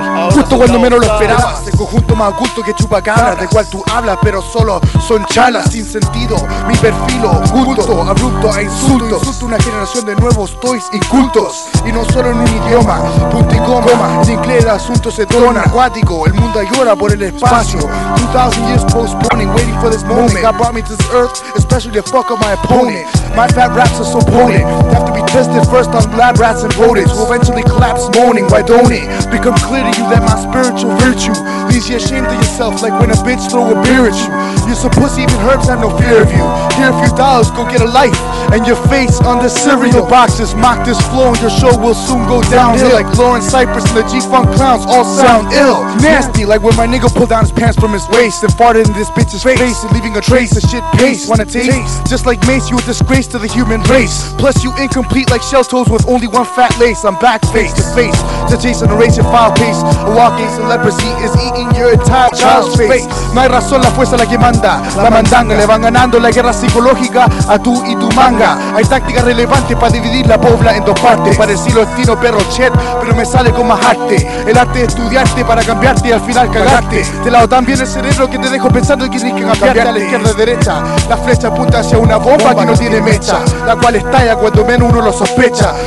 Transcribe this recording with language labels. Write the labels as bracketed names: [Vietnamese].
[Spanish] Ahora justo cuando menos lo esperabas, el conjunto más oculto que chupacabras, de cual tú hablas pero solo son chalas. Sin sentido, mi perfil oculto, abrupto a insultos. Insulto una generación de nuevos toys incultos. Y no solo en un idioma, punto y coma. En inglés el asunto se torna acuático. El mundo llora por el espacio. [English] 2000 years postponing, waiting for this moment. God brought me to this earth, especially to fuck up my opponent. My fat raps are so potent. Have to be tested first on lab rats and rodents. Will eventually collapse moaning, why don't it become clear to you that my spiritual virtue leaves you ashamed of yourself like when a bitch throw a beer at you. You're so pussy, even herbs have no fear of you. Here a few dollars, go get a life. And your face on the cereal boxes. Mock this flow and your show will soon go downhill. Like Lauren Cypress and the G-Funk clowns all sound ill. Nasty, like when my nigga pulled down his pants from his waist and farted in this bitch's face and leaving a trace of shit paste. Wanna taste? Just like Mace, you a disgrace to the human race. Plus you incomplete like shell toes with only one fat lace. I'm back face to face to chase and erase your file pace. A walking celebrity is eating your entire child's face. [Spanish] No hay razón, la fuerza la que manda. La mandanga le van ganando la guerra psicológica a tú y tu madre. Hay táctica relevante para dividir la pobla en dos partes. Parecí lo estilo perro chet, pero me sale con más arte. El arte de estudiarte para cambiarte y al final cagarte. Te lavo tan bien el cerebro que te dejo pensando que tienes que cambiarte. A la izquierda y derecha, la flecha apunta hacia una bomba que no tiene mecha, la cual estalla cuando menos uno lo sospecha.